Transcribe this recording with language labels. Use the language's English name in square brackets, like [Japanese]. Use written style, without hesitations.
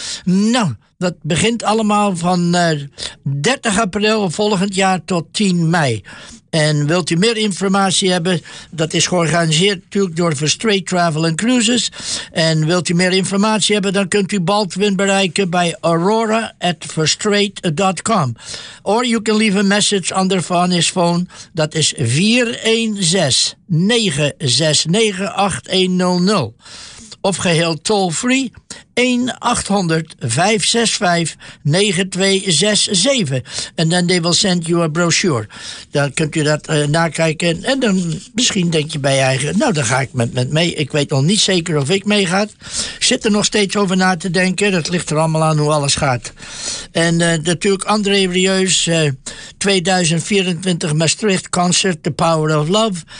[Dutch] Nou, dat begint allemaal van 30 april volgend jaar tot 10 mei. En wilt u meer informatie hebben, dat is georganiseerd natuurlijk door Verstrait Travel and Cruises. En wilt u meer informatie hebben, dan kunt u Baldwin bereiken bij aurora@verstrait.com. [English] Or you can leave a message on their phone. [Dutch] Dat is 416-969-8100. Of geheel toll-free 1-800-565-9267. [English] And then they will send you a brochure. [Dutch] Dan kunt u dat nakijken. En dan misschien denk je bij je eigen, nou, dan ga ik met mee. Ik weet nog niet zeker of ik meega. Zit er nog steeds over na te denken. Dat ligt er allemaal aan hoe alles gaat. En natuurlijk André Rieus, 2024 Maastricht Concert, The Power of Love.